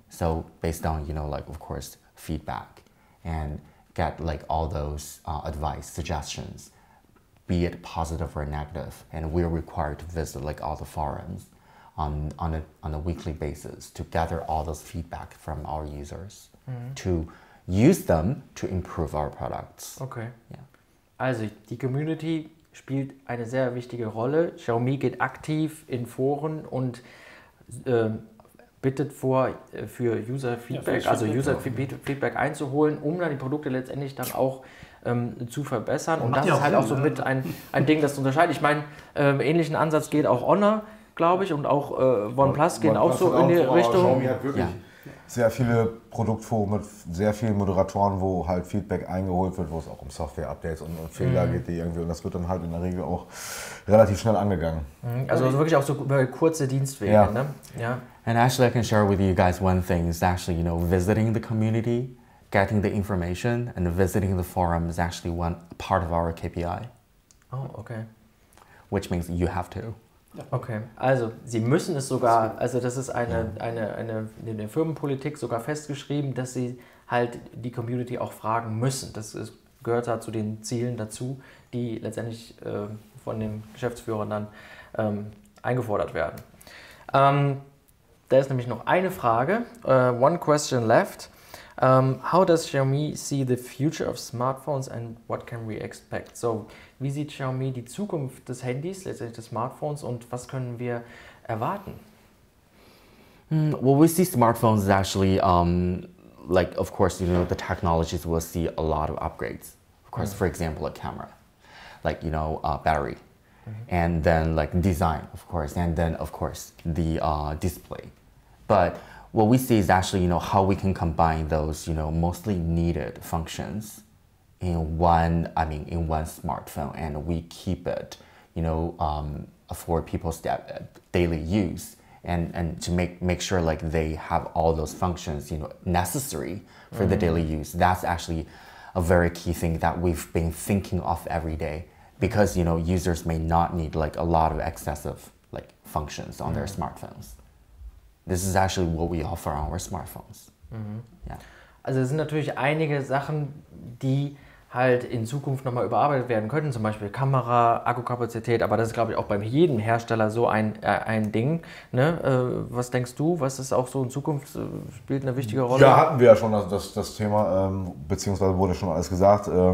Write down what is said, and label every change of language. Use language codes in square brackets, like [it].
[en] So based on, you know, like, of course, feedback and get like all those advice, suggestions, be it positive or negative. And we're required to visit like all the forums on a weekly basis to gather all those feedback from our users mm-hmm. to use them to improve our products. Okay. Yeah. [de] Also die Community spielt eine sehr wichtige Rolle. Xiaomi geht aktiv in Foren und bittet vor, für User Feedback, ja, für User Feedback einzuholen, um dann die Produkte letztendlich dann auch zu verbessern. Und das ist halt auch so mit ein Ding, das zu unterscheiden. Ich meine, ähnlichen Ansatz geht auch Honor, glaube ich, und auch OnePlus gehen auch so in die Richtung. Xiaomi hat wirklich sehr viele Produktforen mit sehr vielen Moderatoren, wo halt Feedback eingeholt wird, wo es auch um Software-Updates und um Fehler geht, die irgendwie, und das wird dann halt in der Regel auch relativ schnell angegangen. Also wirklich auch so kurze Dienstwege. [en] Yeah. [de] Ne? [en] Yeah. And actually, I can share with you guys one thing. It's actually, you know, visiting the community, getting the information, and visiting the forum is actually one part of our KPI. Oh, okay. Which means you have to. [de] Okay, also Sie müssen es sogar, also das ist eine Firmenpolitik sogar festgeschrieben, dass Sie halt die Community auch fragen müssen. Das ist, gehört da zu den Zielen dazu, die letztendlich von den Geschäftsführern dann eingefordert werden. Da ist nämlich noch eine Frage, [en] one question left. How does Xiaomi see the future of smartphones and what can we expect? [de] So, wie sieht Xiaomi die Zukunft des Handys, letztendlich des Smartphones, und was können wir erwarten? [en] Well, we see smartphones actually, like, of course, you know, the technologies will see a lot of upgrades. Of course, for example, a camera, like, you know, battery. And then, like, design, of course, and then, of course, the display. But what we see is actually, you know, how we can combine those, you know, mostly needed functions in one, I mean, in one smartphone, and we keep it, you know, for people's daily use, and to make sure like they have all those functions, you know, necessary for the daily use. That's actually a very key thing that we've been thinking of every day, because, you know, users may not need like a lot of excessive like functions on their smartphones. This is actually what we offer on our smartphones. [de] Also es sind natürlich einige Sachen, die halt in Zukunft nochmal überarbeitet werden könnten, zum Beispiel Kamera, Akkukapazität, aber das ist, glaube ich, auch bei jedem Hersteller so ein Ding. Ne? Was denkst du, was ist auch so in Zukunft, spielt eine wichtige Rolle? Ja, hatten wir ja schon das Thema, beziehungsweise wurde schon alles gesagt.